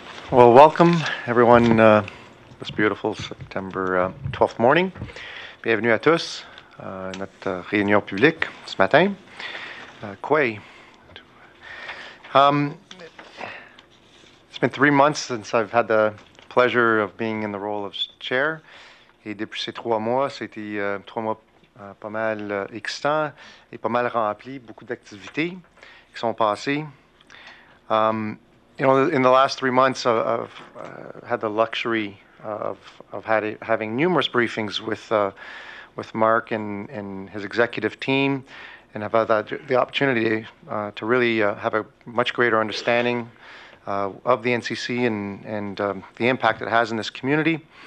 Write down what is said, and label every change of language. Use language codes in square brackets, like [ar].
[en] Well, welcome, everyone, this beautiful September 12th morning. [fr] Bienvenue à tous à notre réunion publique ce matin. Quay. [en] It's been 3 months since I've had the pleasure of being in the role of chair. [fr] Et depuis ces trois mois, c'était trois mois pas mal excitants et pas mal remplis, beaucoup d'activités qui sont passées. [en] In the last 3 months, I've had the luxury of having numerous briefings with Mark and his executive team, and have had the opportunity to really have a much greater understanding of the NCC and the impact it has in this community.